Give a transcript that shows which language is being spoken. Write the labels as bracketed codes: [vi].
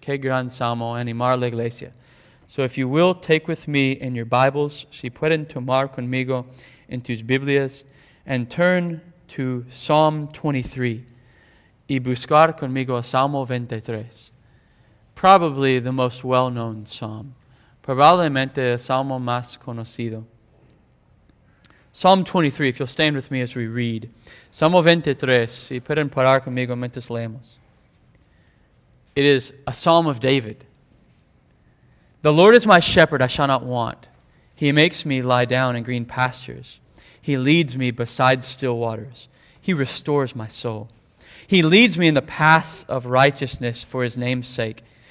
[es] Qué gran salmo animar la iglesia. [en] So if you will, take with me in your Bibles, [es] si pueden tomar conmigo en tus Biblias, [en] and turn to Psalm 23, [es] y buscar conmigo a Salmo 23. [en] Probably the most well-known psalm. [es] Probablemente el salmo más conocido. [en] Psalm 23, if you'll stand with me as we read. [es] Salmo 23, si pueden parar conmigo mientras leemos. [en] It is a psalm of David. The Lord is my shepherd, I shall not want. He makes me lie down in green pastures. He leads me beside still waters. He restores my soul. He leads me in the paths of righteousness for his name's sake.